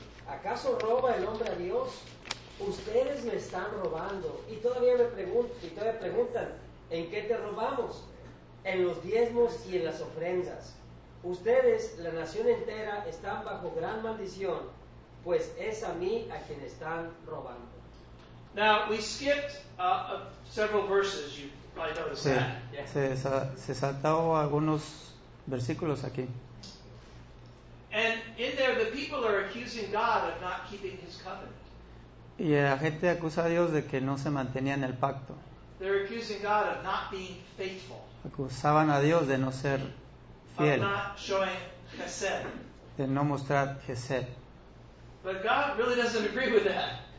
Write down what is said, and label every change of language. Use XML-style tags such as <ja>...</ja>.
<es>¿Acaso roba el hombre a Dios? Ustedes me están robando. Y todavía me preguntan, ¿en qué te robamos? En los diezmos y en las ofrendas. Ustedes, la nación entera, están bajo gran maldición, pues es a mí a quien están robando.</es> <en>Now, we skipped several verses, you probably noticed</en> <es>that. Se saltó algunos versículos aquí.</es> <en>And in there, the people are accusing God of not keeping his covenant.</en> <es>Y la gente acusa a Dios de que no se mantenía en el pacto.</es> <en>They're accusing God of not being faithful.</en> <es>Acusaban a Dios de no ser fiel.</es> <en>Of not showing chesed.</en> <es>De no mostrar chesed.</es> <en>But God really doesn't agree with that.</en>